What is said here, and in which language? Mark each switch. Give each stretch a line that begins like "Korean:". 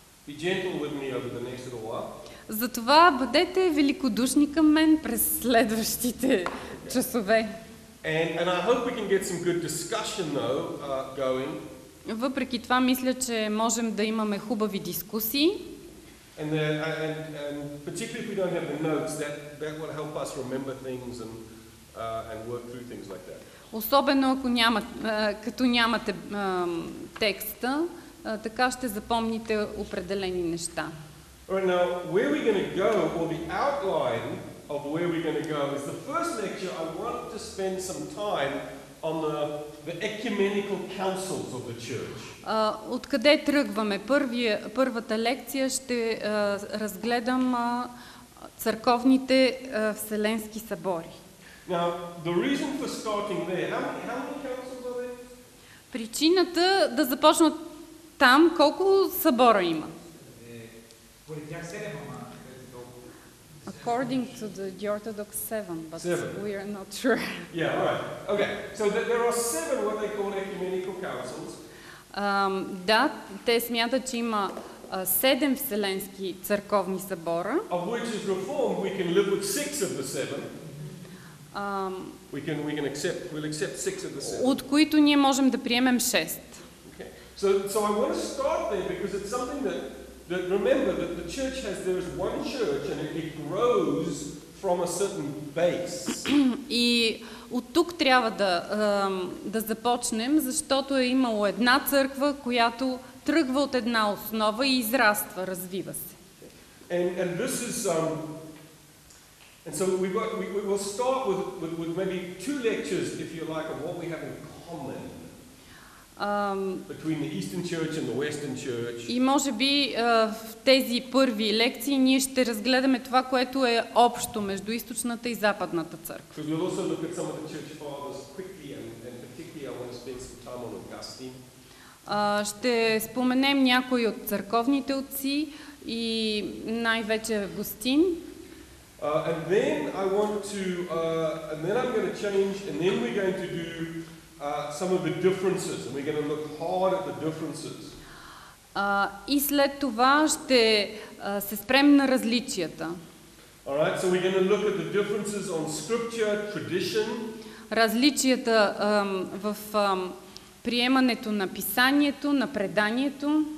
English: Be gentle with me over the next little while.
Bulgarian: Затова бъдете великодушни към мен през следващите часове.
English: And I hope we can get some good discussion though going.
Bulgarian: Въпреки това мисля, че можем да имаме хубави дискусии.
English: And particularly if we don't have the notes, that will help us remember things and work through things like that.
Bulgarian: Особено ако няма, като нямате текста, така ще запомните определени неща.
English: Right, now, where we're going to go, or the outline of where we're going to go, is the first lecture I want to spend some time on the ecumenical councils of the church.
Bulgarian: Откъде тръгваме? Първата лекция ще разгледам църковните вселенски събори.
English: Now, the reason for starting there, how many councils are there?
Bulgarian: Причината да започна там, колко събора има?
English: According to the Orthodox seven, but seven. We are not sure. Yeah, all right. Okay, so there are seven what they call ecumenical councils.
Bulgarian: Да, те смятат, че има седем вселенски църковни събора.
English: Of which is Reformed, we can live with six of the seven. We can accept, we'll accept six of the seven.
Bulgarian: От които ние можем да приемем шест.
English: Okay. So I want to start there because it's something that remember that the church has, there is one church and it grows from a certain base.
Bulgarian: И от тук трябва да започнем, защото е имало една църква, която тръгва от една основа и израства, развива се.
English: And this is and so we will start with maybe two lectures, if you like, of what we have in common. Between the Eastern Church and the Western Church.
Bulgarian: И може би в тези първи лекции ние ще разгледаме това, което е общо между източната и западната църква.
English: Because we'll also look at some of the church fathers quickly and particularly I want to spend some time on Augustine.
Bulgarian: Ще споменем някои от църковните отци и най-вече Августин.
English: And then I want to and then I'm going to change and then we're going to do some of the differences and we're going to look hard at the differences.
Bulgarian: И след това ще се спрем на различията.
English: All right, so we're going to look at the differences on scripture, tradition.
Bulgarian: Различията в приемането на писанието, на преданието,